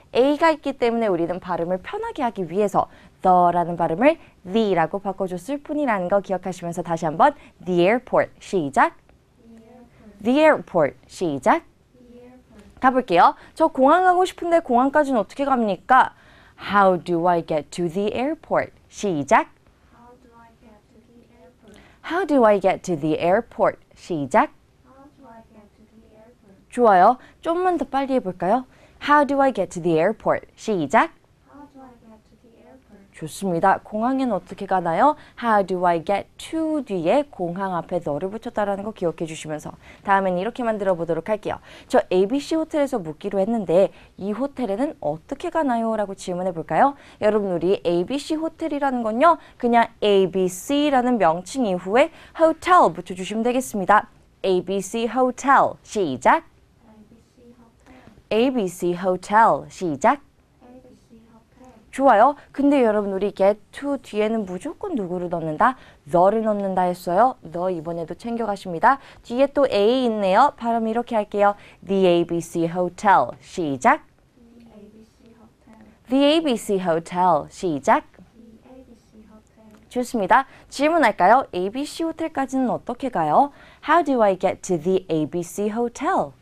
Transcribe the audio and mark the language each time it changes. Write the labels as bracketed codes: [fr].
[ko] A가 있기 때문에 우리는 발음을 편하게 하기 위해서 the라는 발음을 the라고 바꿔줬을 뿐이라는 거 기억하시면서 다시 한번 the airport 시작. [en] The airport, the airport [ko] 시작. 가볼게요. 저 공항 가고 싶은데 공항까지는 어떻게 갑니까? [en] How do I get to the airport? [ko] 시작. [en] How do I get to the airport? [ko] 시작. [en] How do I get to the airport? [ko] 좋아요. 좀만 더 빨리 해볼까요? [en] How do I get to the airport? [ko] 시작. [en] How do I get to the airport? [ko] 좋습니다. 공항에는 어떻게 가나요? [en] How do I get to [ko] 뒤에 공항 앞에 너를 붙였다라는 거 기억해 주시면서 다음엔 이렇게 만들어 보도록 할게요. 저 ABC 호텔에서 묵기로 했는데 이 호텔에는 어떻게 가나요? 라고 질문해 볼까요? 여러분 우리 ABC 호텔이라는 건요. 그냥 ABC라는 명칭 이후에 hotel 붙여주시면 되겠습니다. [en] ABC hotel 시작. ABC Hotel, [ko] 시작. [en] ABC Hotel. [ko] 좋아요. 근데 여러분 우리 get to 뒤에는 무조건 누구를 넣는다? 너를 넣는다 했어요. 너 이번에도 챙겨가십니다. 뒤에 또 A 있네요. 발음 이렇게 할게요. [en] The ABC Hotel, 시작. The ABC Hotel, The ABC Hotel 시작. The ABC [ko] Hotel. 좋습니다. 질문할까요? ABC 호텔까지는 어떻게 가요? [en] How do I get to the ABC Hotel?